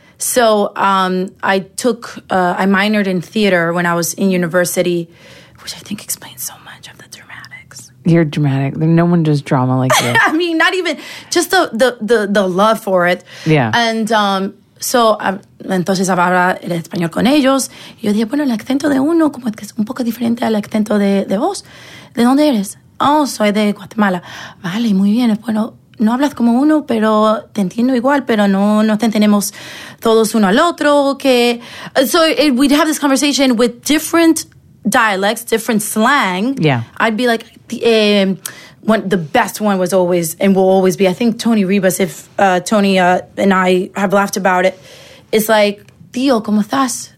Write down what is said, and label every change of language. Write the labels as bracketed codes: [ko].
[en] So I minored in theater when I was in university, which I think explains so much of the dramatics. You're dramatic. No one does drama like you. I mean, not even just the love for it. Yeah. And so, [es] entonces hablaba el español con ellos. Y yo dije, bueno, el acento de uno como que es un poco diferente al acento de vos. ¿De dónde eres? Oh, soy de Guatemala. Vale, muy bien. Bueno, no hablas como uno, pero te entiendo igual, pero no te entendemos todos uno al otro. [en] Okay. So, we'd have this conversation with different dialects, different slang. Yeah. I'd be like, one, the best one was always and will always be, I think, Tony Rivas, if Tony and I have laughed about it, it's like, [es] tío, ¿cómo estás?